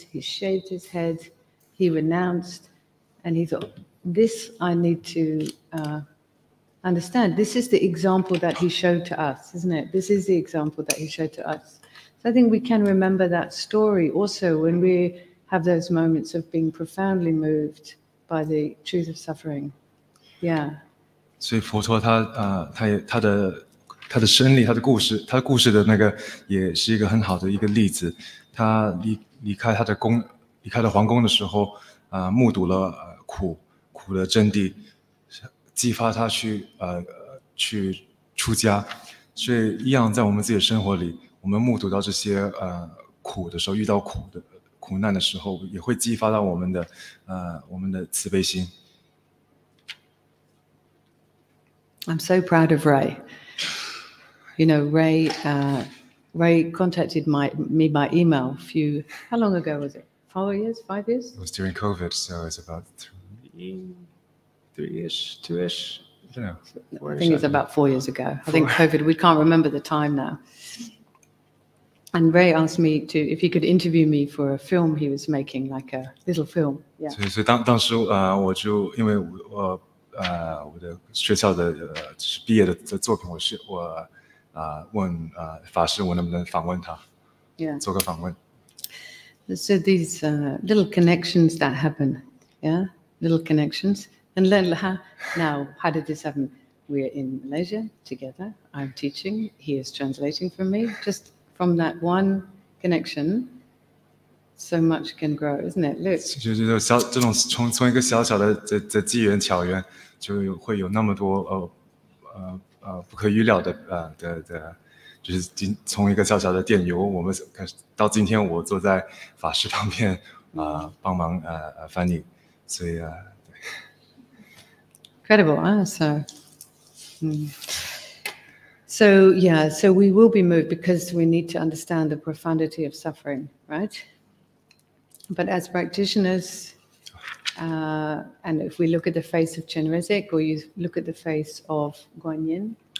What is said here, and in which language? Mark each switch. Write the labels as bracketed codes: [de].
[en] He shaved his head. He renounced, and he thought, "This I need to understand. This is the example that he showed to us, isn't it? This is the example that he showed to us." I think we can remember that story also when we have those moments of being profoundly moved by the truth of suffering. Yeah. [zh] 所以佛陀他的生理，他的故事的那个也是一个很好的一个例子。他离开他的宫，离开了皇宫的时候，目睹了苦的真谛，激发他去出家。所以一样在我们自己的生活里。我们目睹到这些苦的时候，遇到苦难的时候，也会激发到我们的慈悲心。 [en] I'm so proud of Ray. You know, Ray. Ray contacted me by email. How long ago was it? 4 years? 5 years? It was during COVID, so it's about three-ish. I think it's about 4 years ago. I think COVID. We can't remember the time now. And Ray asked me to if he could interview me for a film he was making, like a little film. Yeah. [zh] 所以当时我就因为我我的学校的毕业的作品，我问法师我能不能访问他， [en] yeah. [zh] 做个访问。 [en] So these little connections that happen, yeah, little connections. And then now, how did this happen? We're in Malaysia together. I'm teaching. He is translating for me. Just. From that one connection, so much can grow, isn't it? Look. [zh] 就小这种从一个小小的机缘巧缘，就会有那么多不可预料的就是从一个小小的电邮，我们开始到今天我坐在法师旁边帮忙翻译，所以对。 [en] Incredible, huh? So. So yeah, so we will be moved because we need to understand the profundity of suffering, right? But as practitioners, and if we look at the face of Chenrezig, or you look at the face of Guanyin,